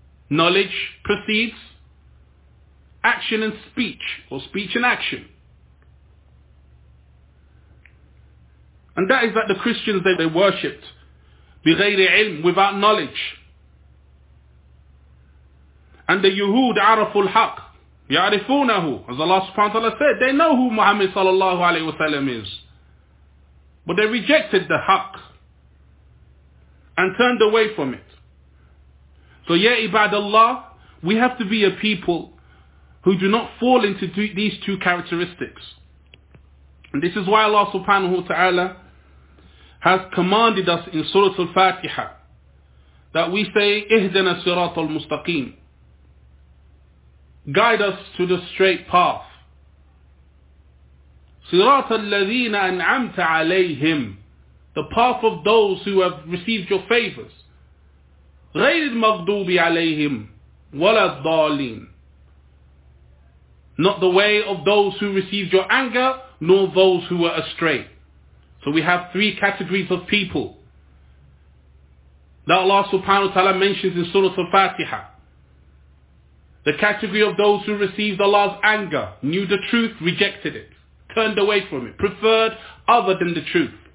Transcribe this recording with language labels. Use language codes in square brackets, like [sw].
[en] Knowledge precedes action and speech, or speech and action. And that is that the Christians that they worshipped [ar] بغير علم, [en] without knowledge. And the [ar] يهود عرفوا الحق يعرفونه. [en] As Allah subhanahu wa ta'ala said, they know who Muhammad sallallahu alayhi wa sallam is. But they rejected the haqq and turned away from it. So ya ibadallah, we have to be a people who do not fall into these two characteristics. And this is why Allah subhanahu wa ta'ala has commanded us in Surah Al-Fatiha that we say, [ar] ihdana sirat al-mustaqim. [en] Guide us to the straight path. [ar] صراط الذين أنعمت عليهم. [en] The path of those who have received your favors. [ar] غير المغضوب عليهم ولا الضالين. [en] Not the way of those who received your anger, nor those who were astray. So we have three categories of people that Allah subhanahu wa ta'ala mentions in Surah Al-Fatiha. The category of those who received Allah's anger, knew the truth, rejected it, turned away from it, preferred other than the truth.